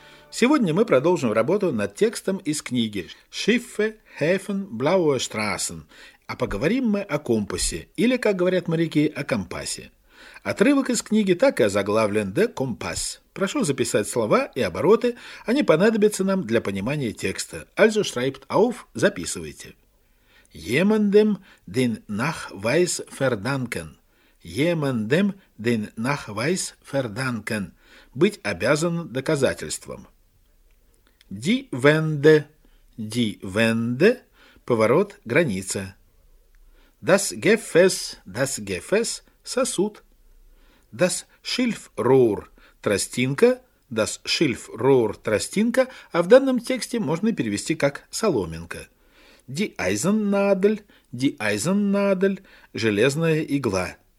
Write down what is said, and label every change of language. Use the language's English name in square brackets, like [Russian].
[Russian] Сегодня мы продолжим работу над текстом из книги «Schiffe, Häfen, Blaue Straßen». А поговорим мы о компасе, или, как говорят моряки, о компасе. Отрывок из книги так и озаглавлен «Der Kompass». Прошу записать слова и обороты. Они понадобятся нам для понимания текста. [German] Also schreibt auf, [Russian] записывайте. [German] Jemandem den Nachweis verdanken. Jemandem den Nachweis verdanken. [Russian] Быть обязан доказательством. [German] Die Wende. Die Wende. [Russian] Поворот, граница. [German] Das Gefäß. Das Gefäß. [Russian] Сосуд. [German] Das Schilfrohr. [Russian] Тростинка. [German] Das Schilfrohr. Тростинка. [Russian] А в данном тексте можно перевести как соломинка. [German] Die Eisennadel, die Eisennadel, [Russian] железная игла.